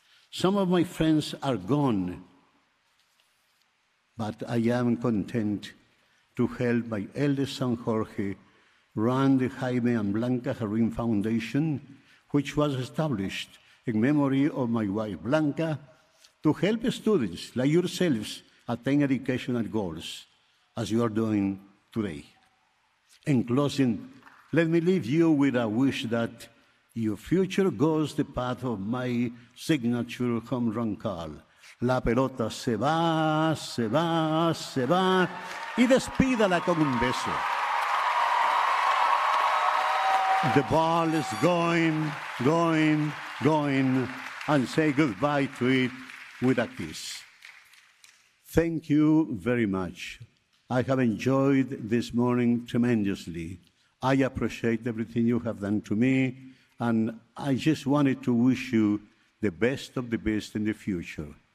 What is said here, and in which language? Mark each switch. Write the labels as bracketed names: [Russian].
[English] Some of my friends are gone, but I am content to help my eldest son Jorge run the Jaime and Blanca Jarrín Foundation, which was established in memory of my wife Blanca, to help students like yourselves attain educational goals, as you are doing today. In closing, let me leave you with a wish that your future goes the path of my signature home run call. [Spanish] La pelota se va, se va, se va, y despídala con un beso. [English] The ball is going, going, going, and say goodbye to it with a kiss. Thank you very much. I have enjoyed this morning tremendously. I appreciate everything you have done to me, and I just wanted to wish you the best of the best in the future.